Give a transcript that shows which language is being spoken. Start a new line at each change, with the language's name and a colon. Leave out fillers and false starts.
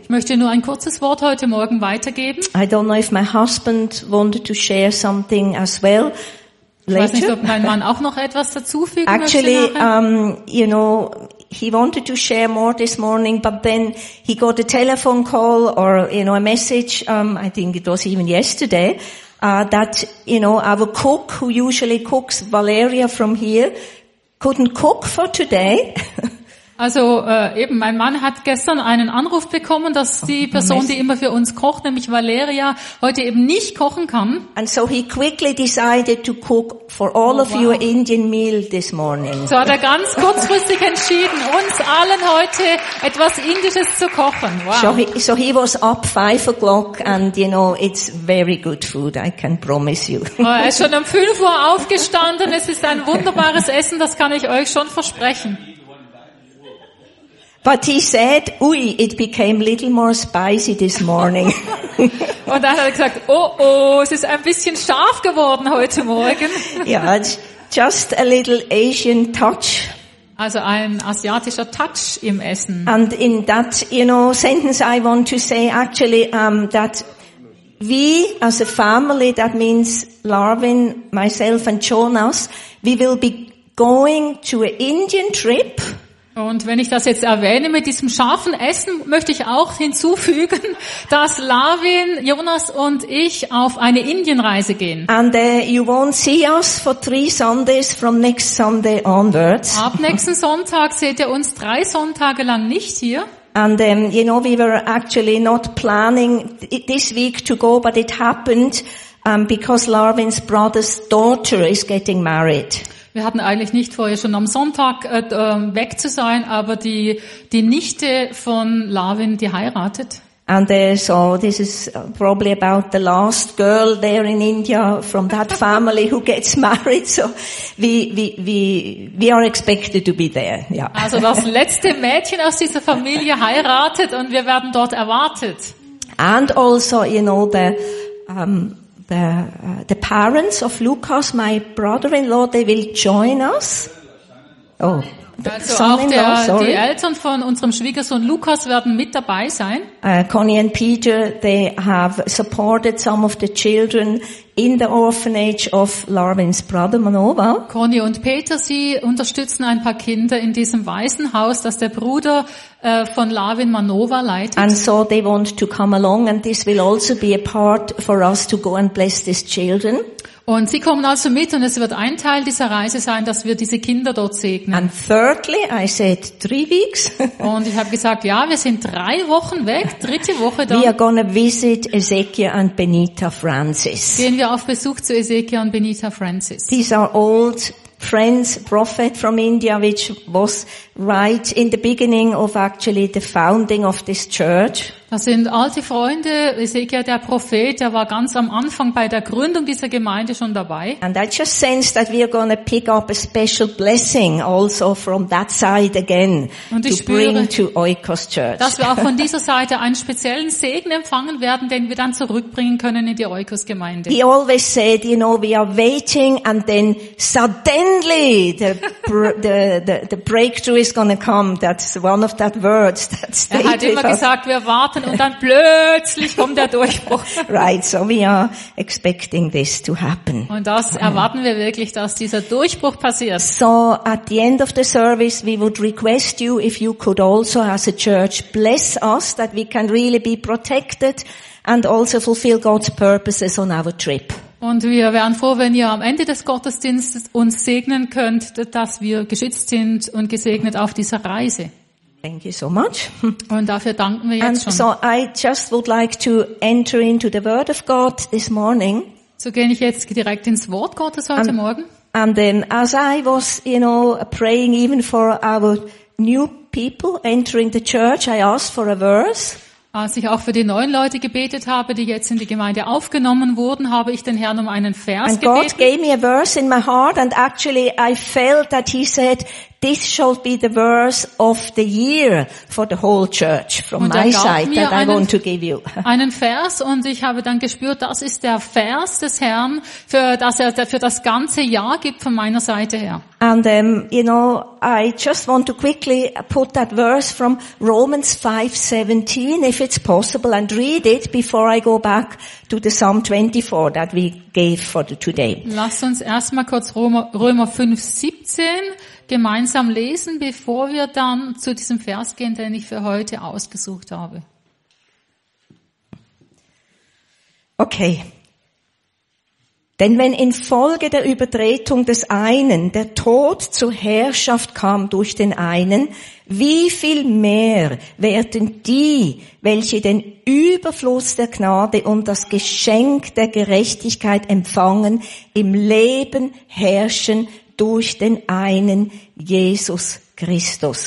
German: Ich möchte nur ein kurzes Wort heute Morgen weitergeben.
English: I don't know if my husband wanted to share something as well. Later.
German: Ich weiß nicht, ob mein Mann auch noch etwas dazufügen
English: Actually,
German: möchte.
English: Actually, you know, he wanted to share more this morning, but then he got a telephone call or, you know, a message, I think it was even yesterday, that, you know, our cook, who usually cooks Valeria from here, couldn't cook for today.
German: Also eben, mein Mann hat gestern einen Anruf bekommen, dass die Person, die immer für uns kocht, nämlich Valeria, heute eben nicht kochen kann.
English: And so he quickly decided to cook for all of your Indian meal this morning.
German: So hat er ganz kurzfristig entschieden, uns allen heute etwas Indisches zu kochen.
English: Wow. So he was up 5 o'clock and you know, it's very good food, I can promise you.
German: Er ist schon um 5 Uhr aufgestanden, es ist ein wunderbares Essen, das kann ich euch schon versprechen.
English: But he said, "Ui, it became a little more spicy this morning."
German: Und dann hat er gesagt, oh, es ist ein bisschen scharf geworden heute Morgen.
English: Yeah, just a little Asian touch.
German: Also ein asiatischer Touch im Essen.
English: And in that, you know, sentence I want to say actually that we as a family, that means Larvin, myself and Jonas, we will be going to an Indian trip.
German: Und wenn ich das jetzt erwähne mit diesem scharfen Essen, möchte ich auch hinzufügen, dass Larvin, Jonas und ich auf eine Indienreise gehen.
English: And you won't see us for 3 Sundays from next Sunday onwards.
German: Ab nächsten Sonntag seht ihr uns 3 Sonntage lang nicht hier.
English: And you know, we were actually not planning this week to go, but it happened because Larvin's brother's daughter is getting married.
German: Wir hatten eigentlich nicht vor, schon am Sonntag weg zu sein, aber die Nichte von Larvin, die heiratet.
English: And so this is probably about the last girl there in India from that family who gets married. So we are expected to be there. Yeah.
German: Also das letzte Mädchen aus dieser Familie heiratet und wir werden dort erwartet.
English: And also, you know, the parents of Lucas, my brother-in-law, they will join us.
German: Oh, die Eltern von unserem Schwiegersohn Lucas werden mit dabei sein.
English: Connie and Peter, they have supported some of the children in the orphanage of Larvin's brother Manova.
German: Connie und Peter, sie unterstützen ein paar Kinder in diesem Waisenhaus, das der Bruder von Larvin Manova leitet.
English: And so they want to come along, and this will also be a part for us to go and bless these children.
German: Und sie kommen also mit, und es wird ein Teil dieser Reise sein, dass wir diese Kinder dort segnen.
English: And thirdly, I said 3 weeks.
German: Und ich habe gesagt, ja, wir sind 3 Wochen weg, 3. Woche dann.
English: We are gonna visit Ezekiel and Benita Francis.
German: Gehen wir auf Besuch zu Ezekiel und Benita Francis.
English: These are old friends, prophet from India, which was right in the beginning of actually the founding of this church.
German: Das sind alte Freunde. Ezekiel, der Prophet, der war ganz am Anfang bei der Gründung dieser Gemeinde schon dabei.
English: And I just sense that we are going to pick up a special blessing also from that side again to bring to Oikos Church.
German: Dass wir auch von dieser Seite einen speziellen Segen empfangen werden, den wir dann zurückbringen können in die Oikos Gemeinde.
English: He always said, you know, we are waiting and then suddenly the breakthrough is going to come. That's one of that words that stated.
German: Er hat immer gesagt, wir warten. Und dann plötzlich kommt der Durchbruch.
English: Right, so we are expecting this to happen.
German: Und das erwarten wir wirklich, dass dieser Durchbruch passiert.
English: So at the end of the service we would request you if you could also as a church bless us that we can really be protected and also fulfill God's purposes on our trip.
German: Und wir wären froh, wenn ihr am Ende des Gottesdienstes uns segnen könnt, dass wir geschützt sind und gesegnet auf dieser Reise.
English: Thank you so much.
German: Und dafür danken wir jetzt
English: And
German: schon.
English: So I just would like to enter into the Word of God this morning.
German: So gehe ich jetzt direkt ins Wort Gottes heute Morgen.
English: And then as I was, you know, praying even for our new people entering the church, I asked for a verse.
German: Als ich auch für die neuen Leute gebetet habe, die jetzt in die Gemeinde aufgenommen wurden, habe ich den Herrn um einen Vers gebeten.
English: And God gave me a verse in my heart, and actually I felt that He said, "This shall be the verse of the year for the whole church from my side that I want to give you."
German: Einen Vers, und ich habe dann gespürt, das ist der Vers des Herrn, für das er für das ganze Jahr gibt von meiner Seite her.
English: And you know, I just want to quickly put that verse from Romans 5:17, if it's possible, and read it before I go back to the Psalm 24 that we gave for today.
German: Lasst uns erstmal kurz Römer 5:17 gemeinsam lesen, bevor wir dann zu diesem Vers gehen, den ich für heute ausgesucht habe.
English: Okay.
German: Denn wenn infolge der Übertretung des einen der Tod zur Herrschaft kam durch den einen, wie viel mehr werden die, welche den Überfluss der Gnade und das Geschenk der Gerechtigkeit empfangen, im Leben herrschen durch den einen Jesus Christus.